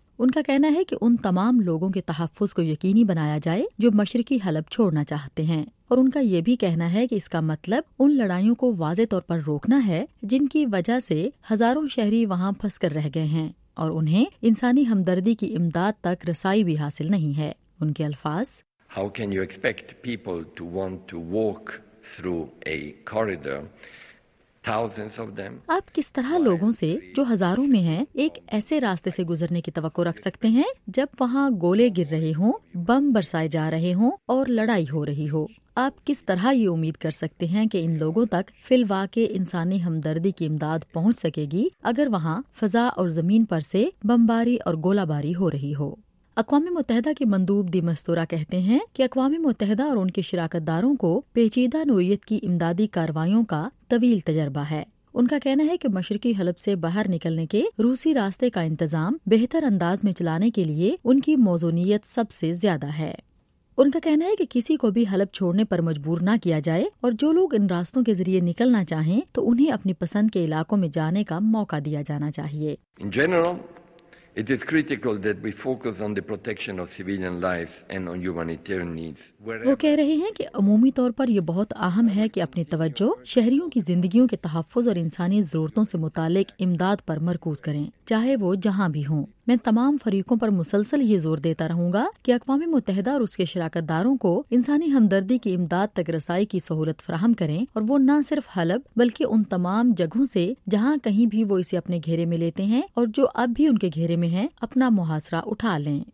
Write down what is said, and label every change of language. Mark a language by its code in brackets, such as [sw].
[ur] ان کا کہنا ہے کہ ان تمام لوگوں کے تحفظ کو یقینی بنایا جائے جو مشرقی حلب چھوڑنا چاہتے ہیں اور ان کا یہ بھی کہنا ہے کہ اس کا مطلب ان لڑائیوں کو واضح طور پر روکنا ہے جن کی وجہ سے ہزاروں شہری وہاں پھنس کر رہ گئے ہیں اور انہیں انسانی ہمدردی کی امداد تک رسائی بھی حاصل نہیں ہے. ان کے الفاظ [en] How can you expect people to want to walk through a corridor, thousands of them? [ur] آپ کس طرح لوگوں سے جو ہزاروں میں ہیں ایک ایسے راستے سے گزرنے کی توقع رکھ سکتے ہیں جب وہاں گولے گر رہے ہوں، بم برسائے جا رہے ہوں اور لڑائی ہو رہی ہو؟ آپ کس طرح یہ امید کر سکتے ہیں کہ ان لوگوں تک فی الواقع انسانی ہمدردی کی امداد پہنچ سکے گی اگر وہاں فضا اور زمین پر سے بمباری اور گولہ باری ہو رہی ہو؟ اقوام متحدہ کے مندوب دی مستورا کہتے ہیں کہ اقوام متحدہ اور ان کے شراکت داروں کو پیچیدہ نوعیت کی امدادی کاروائیوں کا طویل تجربہ ہے. ان کا کہنا ہے کہ مشرقی حلب سے باہر نکلنے کے روسی راستے کا انتظام بہتر انداز میں چلانے کے لیے ان کی موزونیت سب سے زیادہ ہے. ان کا کہنا ہے کہ کسی کو بھی حلب چھوڑنے پر مجبور نہ کیا جائے اور جو لوگ ان راستوں کے ذریعے نکلنا چاہیں تو انہیں اپنی پسند کے علاقوں میں جانے کا موقع دیا جانا چاہیے. [en] In general, it is critical that we focus on the protection of civilian lives and on humanitarian needs. [ur] وہ کہہ رہے ہیں کہ عمومی طور پر یہ بہت اہم ہے کہ اپنی توجہ شہریوں کی زندگیوں کے تحفظ اور انسانی ضرورتوں سے متعلق امداد پر مرکوز کریں چاہے وہ جہاں بھی ہوں. میں تمام فریقوں پر مسلسل یہ زور دیتا رہوں گا کہ اقوام متحدہ اور اس کے شراکت داروں کو انسانی ہمدردی کی امداد تک رسائی کی سہولت فراہم کریں اور وہ نہ صرف حلب بلکہ ان تمام جگہوں سے جہاں کہیں بھی وہ اسے اپنے گھیرے میں لیتے ہیں اور جو اب بھی ان کے گھیرے میں ہیں اپنا محاصرہ اٹھا لیں.